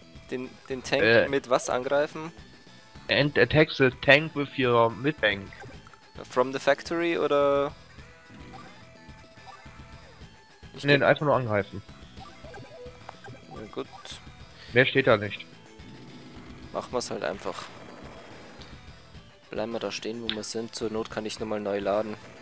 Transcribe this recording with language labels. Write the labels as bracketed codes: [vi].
[de] Den Tank mit was angreifen? [en] And attack the tank with your mid-tank. From the factory, oder? [de] Nein, einfach nur angreifen. Na gut. Mehr steht da nicht. Machen wir es halt einfach. Bleiben wir da stehen, wo wir sind. Zur Not kann ich nochmal neu laden.